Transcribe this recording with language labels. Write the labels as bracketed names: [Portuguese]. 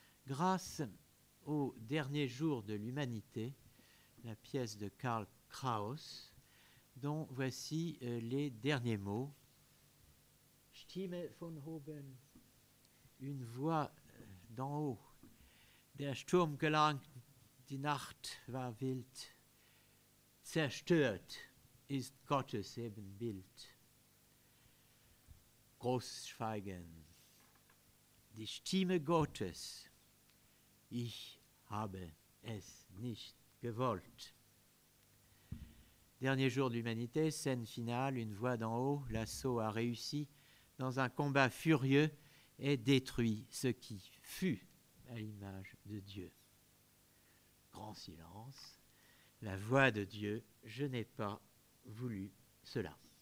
[French] Grâce au dernier jour de l'humanité, la pièce de Karl Kraus, dont voici les derniers mots. [German] Stimme von oben, [French] une voix d'en haut. [German] Der Sturm gelang, die Nacht war wild, zerstört ist Gottes Ebenbild. Großschweigen, die Stimme Gottes, ich habe es nicht gewollt. [French] Dernier jour de l'humanité, scène finale, une voix d'en haut, l'assaut a réussi, dans un combat furieux, et détruit ce qui fut à l'image de Dieu. Grand silence, la voix de Dieu, je n'ai pas voulu cela.